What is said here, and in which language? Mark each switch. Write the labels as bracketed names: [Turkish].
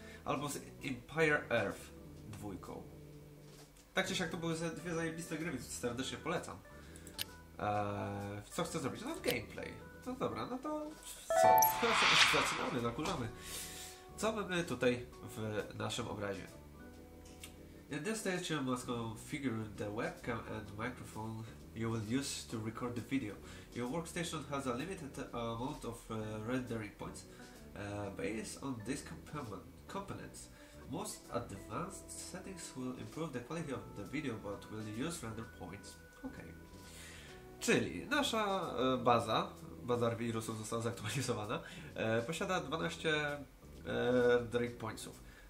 [Polish] Albo z Empire Earth 2. Tak czy siak to były dwie zajebiste gry, więc serdecznie polecam. Co chcę zrobić? No gameplay. No dobra, no to co? Zaczynamy, zakurzamy. Co mamy tutaj w naszym obrazie? [English] In this stage you must configure the webcam and microphone you will use to record the video. Your workstation has a limited amount of rendering points based on these components. Most advanced settings will improve the quality of the video, but will use render points. Okay. [Polish] Czyli nasza baza wirusów została zaktualizowana, posiada 12 rendering pointsów.